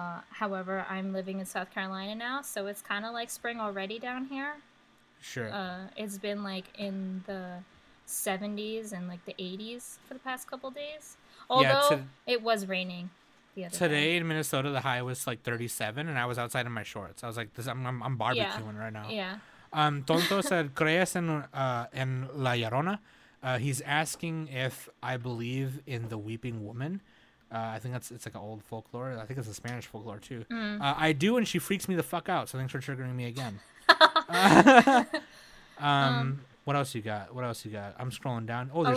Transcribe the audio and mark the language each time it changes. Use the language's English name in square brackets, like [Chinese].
[English] However, I'm living in South Carolina now, so it's kind of like spring already down here. Sure. It's been like in the 70s and like the 80s for the past couple days. Although it was raining the other today day. In Minnesota, the high was like 37 and I was outside in my shorts. I was like, I'm barbecuing right now. Yeah. Tonto said, [Spanish] ¿crees en La Llorona? [English] He's asking if I believe in the Weeping Woman. I think it's like an old folklore. I think it's a Spanish folklore too. Mm. I do, and she freaks me the fuck out. So thanks for triggering me again. what else you got? What else you got? I'm scrolling down. Oh, there's